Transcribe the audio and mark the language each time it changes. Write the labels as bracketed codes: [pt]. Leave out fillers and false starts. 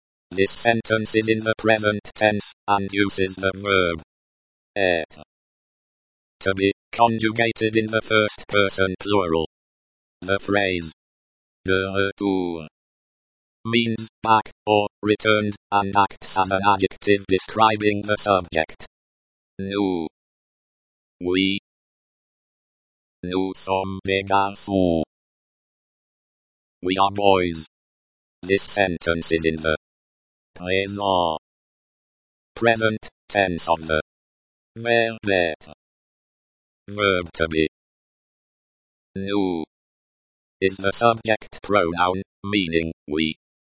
[en] This sentence is in the present tense and uses the verb être to be conjugated in the first person plural. The phrase de retour means back or returned and acts as an adjective describing the subject. Nous. We. [fr] Nous sommes des garçons. [en] We are boys. This sentence is in the present tense of the verb être. Verb to be. Nous is the subject pronoun, meaning we.